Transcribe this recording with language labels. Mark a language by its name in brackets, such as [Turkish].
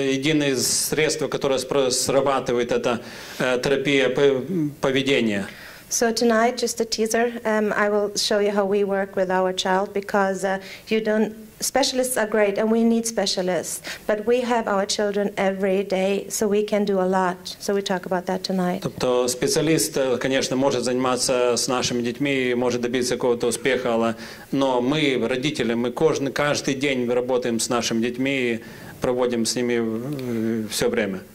[Russian] Единое средство, которое срабатывает, это терапия поведения. [English] So tonight, just a teaser, I will show you how we work with our child, because specialists are great, and we need specialists, but we have our children every day, so we can do a lot, so we talk about that tonight. [Russian] Тобто специалист, конечно, может заниматься с нашими детьми, может добиться какого-то успеха, но мы, родители, мы каждый день работаем с нашими детьми, проводим с ними все время.